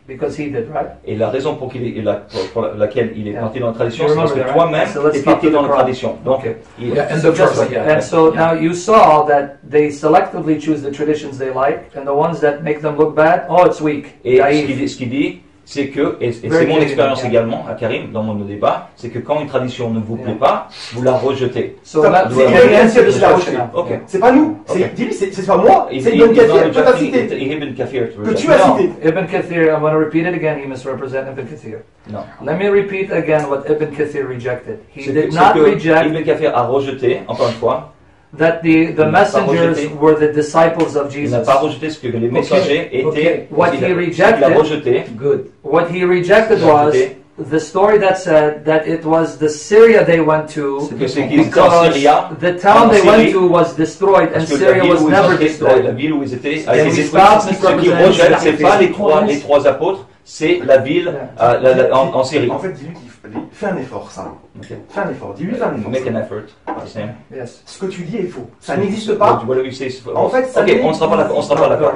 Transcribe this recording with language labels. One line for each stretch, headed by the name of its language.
English: Because he did, right?
French: Et la raison pour, qu'il est, la, pour laquelle il est parti dans la tradition, c'est parce que toi-même étais parti dans la tradition. Donc,
English: Now you saw that they selectively choose the traditions they like, and the ones that make them look bad, oh, it's weak.
French: Et ce qu'il dit, c'est que, et c'est mon expérience également à Karim dans mon débat, c'est que quand une tradition ne vous plaît pas, vous la rejetez. C'est pas nous, c'est pas moi, c'est Ibn Kathir, Ibn Kathir que tu as cité.
English: Ibn Kathir, I'm going to repeat it again, he misrepresented Ibn Kathir. No. Let me repeat again what Ibn Kathir rejected. He did not reject.
French: Ibn Kathir a rejeté, encore une fois,
English: that the messengers were the disciples of Jesus.
French: Il n'a pas rejeté ce que les messagers étaient.
English: What he rejected was the story that said that it was the Syria they went to because the town they went to was destroyed and Syria was never destroyed.
French: La ville où ils étaient, ce qui rejette, c'est pas les trois apôtres, c'est la ville en Syrie. En fait, dis-lui, fais un effort, ça. Okay. Fais un effort. Dis-lui, fais un effort.
English: Make an effort. Yes.
French: Ce que tu dis est faux. Ça n'existe pas.
English: What you say is false.
French: En fait, ça ok, on ne sera pas d'accord. On sera pas d'accord.